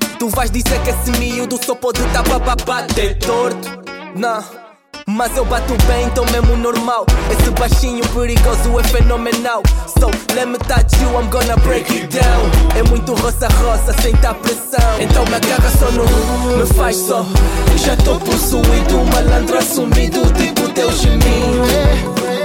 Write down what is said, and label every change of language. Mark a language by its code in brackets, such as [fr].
[pt] Vais dizer que esse miúdo só pode tá pra bater torto. Não, mas eu bato bem, então mesmo normal. Esse baixinho perigoso é fenomenal. [en] So, let me touch you, I'm gonna break it down. [pt] É muito roça-roça, sem tá pressão. Então me agarra só no, me faz só. Já tô possuído, malandro assumido, tipo teu gemido.